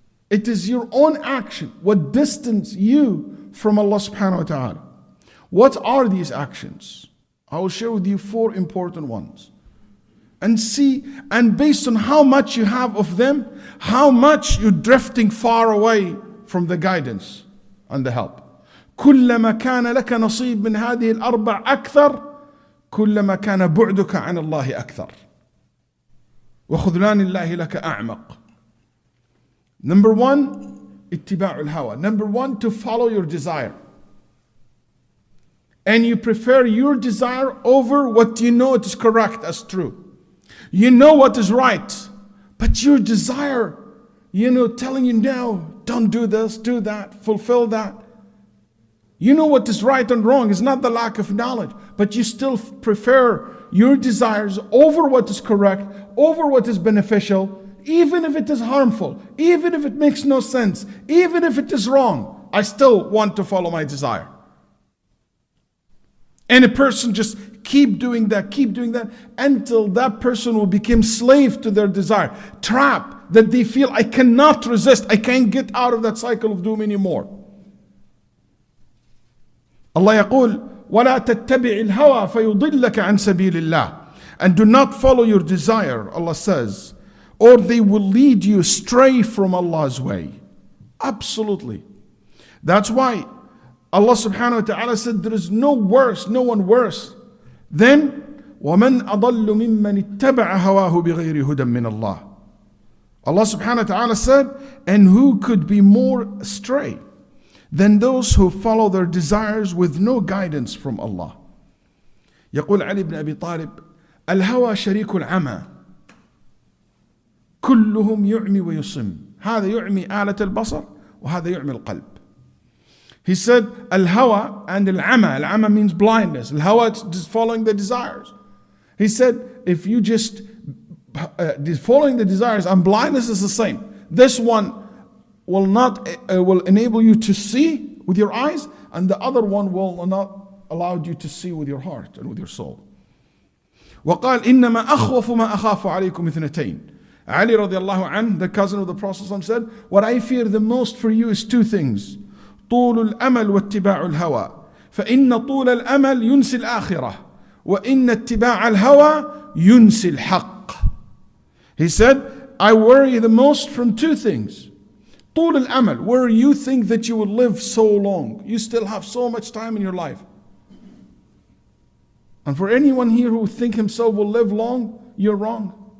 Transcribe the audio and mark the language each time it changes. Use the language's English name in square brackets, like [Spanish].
[English] It is your own action what distance you from Allah subhanahu wa ta'ala. What are these actions? I will share with you four important ones. And see, and based on how much you have of them, how much you're drifting far away from the guidance and the help. [Arabic] كلما كان لك نصيب من هذه الأربع أكثر كلما كان بعدك عن الله أكثر وخذلان الله لك أعمق. [English] Number one, [Arabic] اتباع الهوى. [English] Number one, to follow your desire. And you prefer your desire over what you know it is correct as true. You know what is right, but your desire, you know, telling you now, don't do this, do that, fulfill that. You know what is right and wrong. It's not the lack of knowledge. But you still prefer your desires over what is correct, over what is beneficial, even if it is harmful, even if it makes no sense, even if it is wrong, I still want to follow my desire. And a person just keep doing that, until that person will become slave to their desire, trap that they feel, I cannot resist, I can't get out of that cycle of doom anymore. [Arabic] Allah يقول وَلَا تَتَّبِعِ الْهَوَى فَيُضِلَّكَ عَنْ سَبِيلِ اللَّهِ. [English] And do not follow your desire, Allah says, or they will lead you astray from Allah's way. Absolutely. That's why Allah subhanahu wa ta'ala said there is no worse, no one worse than [Arabic] وَمَنْ أَضَلُّ مِمَّنِ اتَّبَعَ هَوَاهُ بِغَيْرِ هُدًى مِّنَ اللَّهِ. [English] Allah subhanahu wa ta'ala said, and who could be more astray than those who follow their desires with no guidance from Allah. [Arabic] يقول علي بن أبي طالب الهوى شريك العمى كلهم يعمي ويصم هذا يعمي آلة البصر وهذا يعمي القلب. [English] He said الهوى and العمى. العمى means blindness. الهوى is following the desires. He said if you just following the desires and blindness is the same. This one will not will enable you to see with your eyes, and the other one will not allow you to see with your heart and with your soul. [Arabic] وقال إنما أخوف ما أخاف عليكم اثنتين. [English] Ali radiallahu anhu, the cousin of the Prophet ﷺ, said, "What I fear the most for you is two things: [Arabic] طول الأمل واتباع الهوى. فإن طول الأمل ينسي الآخرة وإن اتباع الهوى ينسي الحق." [English] He said, "I worry the most from two things: طول الأمل, where you think that you will live so long, you still have so much time in your life." And for anyone here who think himself will live long, you're wrong.